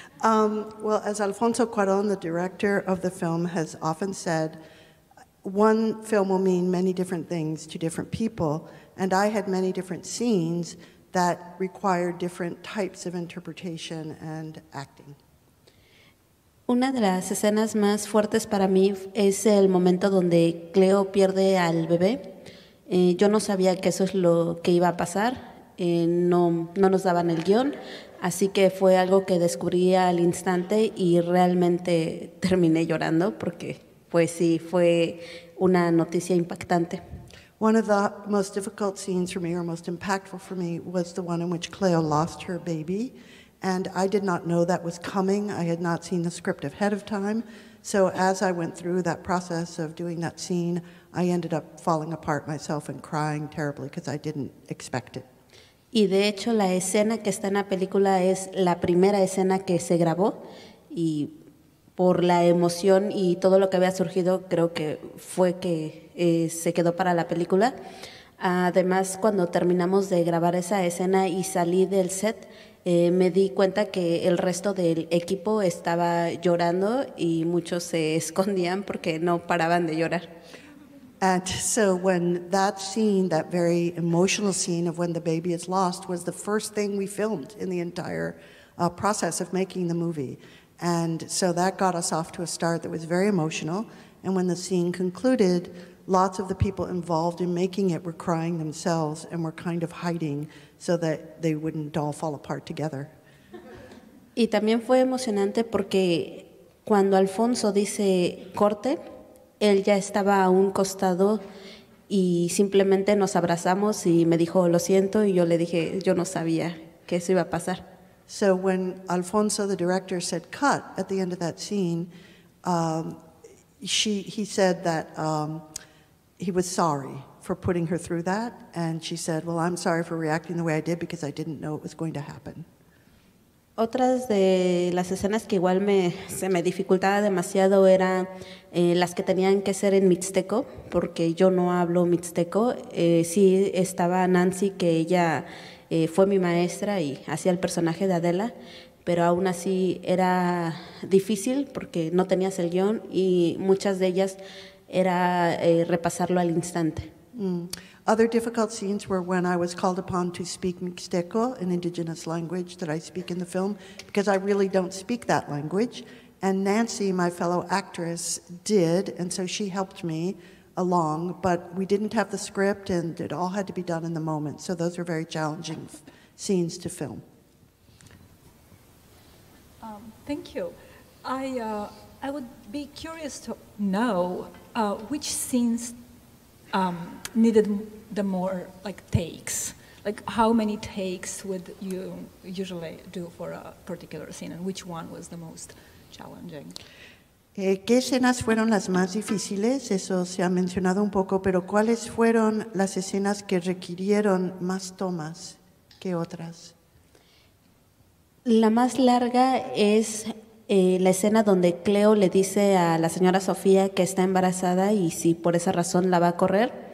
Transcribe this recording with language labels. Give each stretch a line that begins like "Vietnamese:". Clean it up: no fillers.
English: Well, as Alfonso Cuarón, the director of the film, has often said, one film will mean many different things to different people, and I had many different scenes that required different types of interpretation and acting.
Spanish: Una de las escenas más fuertes para mí es el momento donde Cleo pierde al bebé. Yo no sabía que eso es lo que iba a pasar. No nos daban el guión, así que fue algo que descubrí al instante y realmente terminé llorando porque, pues sí, fue una noticia impactante.
English: One of the most difficult scenes for me, or most impactful for me, was the one in which Cleo lost her baby. And I did not know that was coming. I had not seen the script ahead of time. So as I went through that process of doing that scene, I ended up falling apart myself and crying terribly because I didn't expect it.
Spanish: Y de hecho, la escena que está en la película es la primera escena que se grabó. Y por la emoción y todo lo que había surgido, creo que fue que se quedó para la película. Además, cuando terminamos de grabar esa escena y salí del set, me di cuenta que el resto del equipo estaba llorando y muchos se escondían porque no paraban de llorar.
English: And so when that scene, that very emotional scene of when the baby is lost, was the first thing we filmed in the entire process of making the movie. And so that got us off to a start that was very emotional. And when the scene concluded, lots of the people involved in making it were crying themselves and were kind of hiding so that they wouldn't all fall apart together.
Spanish: Y también fue emocionante porque cuando Alfonso dice corte, él ya estaba a un costado y simplemente nos abrazamos y me dijo lo siento y yo le dije yo no sabía que eso iba a pasar.
English: So when Alfonso, the director, said cut at the end of that scene, he said that he was sorry for putting her through that, and she said, well, I'm sorry for reacting the way I did because I didn't know it was going to happen.
Spanish: Otras de las escenas que igual se me dificultaba demasiado eran las que tenían que ser en mixteco, porque yo no hablo mixteco. Sí estaba Nancy, que ella fue mi maestra y hacía el personaje de Adela, pero aún así era difícil porque no tenías el guión y muchas de ellas era repasarlo al instante. Mm.
English: Other difficult scenes were when I was called upon to speak Mixteco, an indigenous language that I speak in the film, because I really don't speak that language. And Nancy, my fellow actress, did, and so she helped me along, but we didn't have the script and it all had to be done in the moment. So those were very challenging scenes to film. Thank you. I would be curious to know which scenes needed the more like takes, like how many takes would you usually do for a particular scene, and which one was the most challenging?
Spanish: ¿Qué escenas fueron las más difíciles? Eso se ha mencionado un poco, pero ¿cuáles fueron las escenas que requirieron más tomas que otras? La más larga es la escena donde Cleo le dice a la señora Sofía que está embarazada y si por esa razón la va a correr.